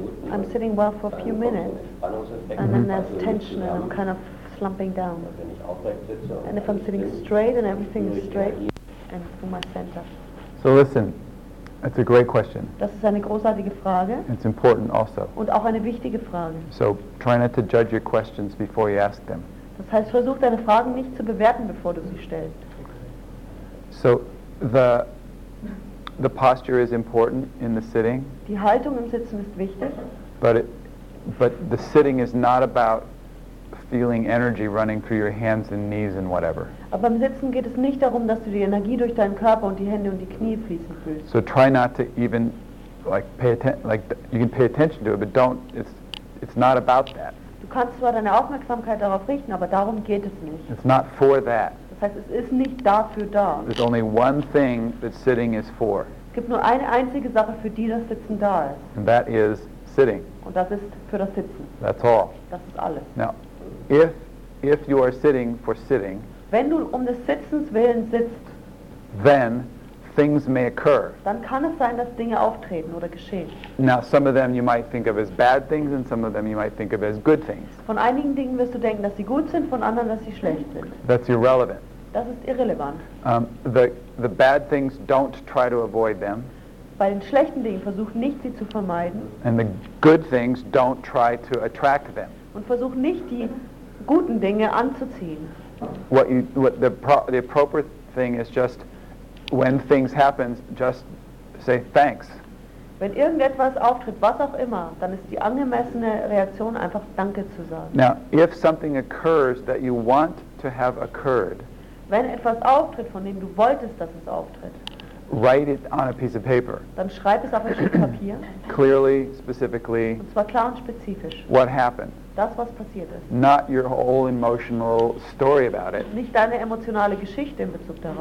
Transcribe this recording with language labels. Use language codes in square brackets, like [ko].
[en] I'm sitting well for a few minutes, and then there's tension and I'm kind of slumping down. And if I'm sitting straight and everything is straight, and through my center. So listen. That's a great question. [de] Das ist eine großartige Frage. [en] It's important also. [de] Und auch eine wichtige Frage. [en] So try not to judge your questions before you ask them. [de] Das heißt, versuch deine Fragen nicht zu bewerten, bevor du sie stellst. [en] So the posture is important in the sitting. [de] Die Haltung im Sitzen ist wichtig. [en] But the sitting is not about feeling energy running through your hands and knees and whatever. [de] Aber beim Sitzen geht es nicht darum, dass du die Energie durch deinen Körper und die Hände und die Knie fließen fühlst. [en] So try not to even like pay attention, like you can pay attention to it, but don't, it's not about that. [de] Du kannst zwar deine Aufmerksamkeit darauf richten, aber darum geht es nicht. [en] It's not for that. [de] Das heißt, es ist nicht dafür da. [en] There's only one thing that sitting is for. [de] Es gibt nur eine einzige Sache, für die das Sitzen da ist. [en] And that is sitting. [de] Und das ist für das Sitzen. [en] That's all. [de] Das ist alles. [en] Now, if you are sitting for sitting, [de] wenn du um des Sitzens willen sitzt, [en] then things may occur. [de] Dann kann es sein, dass Dinge auftreten oder geschehen. [en] Now, some of them you might think of as bad things, and some of them you might think of as good things. [de] Von einigen Dingen wirst du denken, dass sie gut sind, von anderen, dass sie schlecht sind. [en] That's irrelevant. [de] Das ist irrelevant. [en] The bad things, don't try to avoid them. [de] Bei den schlechten Dingen versuch nicht, sie zu vermeiden. [en] And the good things, don't try to attract them. [de] Und versuch nicht, die guten Dinge anzuziehen. [en] What the appropriate thing is just, when things happen, just say thanks. [de] Wenn irgendetwas auftritt, was auch immer, dann ist die angemessene Reaktion einfach Danke zu sagen. [en] Now, if something occurs that you want to have occurred, [de] wenn etwas auftritt, von dem du wolltest, dass es auftritt, [en] write it on a piece of paper. [de] Dann schreib es auf ein Stück Papier. [en] Clearly, specifically. [de] Und zwar klar und spezifisch. [en] What happened? [de] Das, was passiert ist. [en] Not your whole emotional story about it. [de] Nicht deine emotionale Geschichte in Bezug darauf.